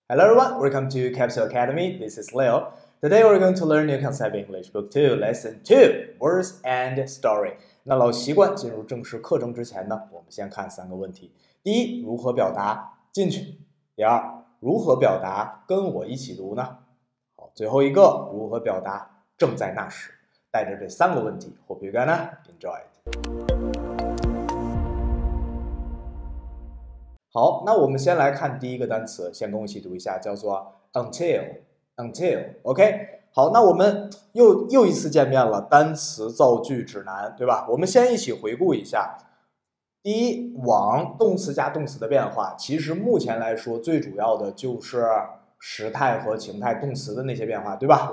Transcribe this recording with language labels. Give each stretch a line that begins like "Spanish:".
English: Hello everyone, welcome to Capsule Academy. This is Leo. Today we're going to learn new concept English Book 2, Lesson 2, Words and Story.
Chinese: 那老习惯，进入正式课程之前呢，我们先看三个问题。第一，如何表达进去？第二，如何表达跟我一起读呢？好，最后一个，如何表达正在那时？带着这三个问题，
English: Hope you gonna enjoy it.
Chinese: 好，那我们先来看第一个单词，先跟我一起读一下，叫做 until，OK、okay? 好，那我们又一次见面了，单词造句指南，对吧？我们先一起回顾一下，第一，往，动词加动词的变化，其实目前来说最主要的就是时态和情态动词的那些变化，对吧？